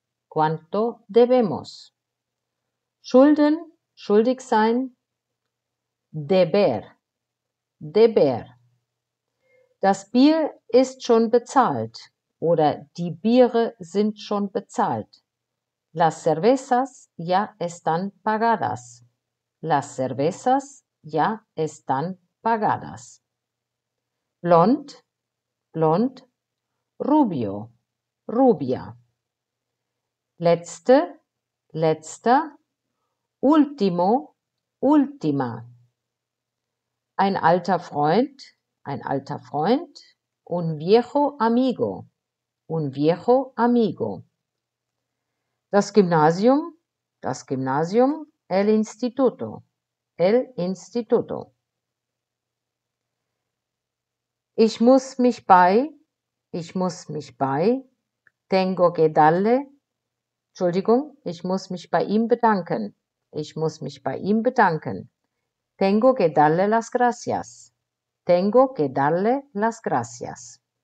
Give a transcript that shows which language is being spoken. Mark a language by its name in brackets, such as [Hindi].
[Spanish] Cuánto debemos? [German] Schulden, schuldig sein. [Spanish] Deber, deber. [German] Das Bier ist schon bezahlt oder die Biere sind schon bezahlt. [Spanish] Las cervezas ya están pagadas. Las cervezas ya están pagadas. [German] Blond, blond, [Spanish] rubio, rubia. [German] Letzte, letzter, [Spanish] último, última. [German] Ein alter Freund, [Spanish] un viejo amigo. [German] Das Gymnasium, [Spanish] el Instituto. [German] Ich muss mich bei, [Spanish] tengo que darle, [German] Entschuldigung, ich muss mich bei ihm bedanken, ich muss mich bei ihm bedanken. [Spanish] Tengo que darle las gracias, tengo que darle las gracias.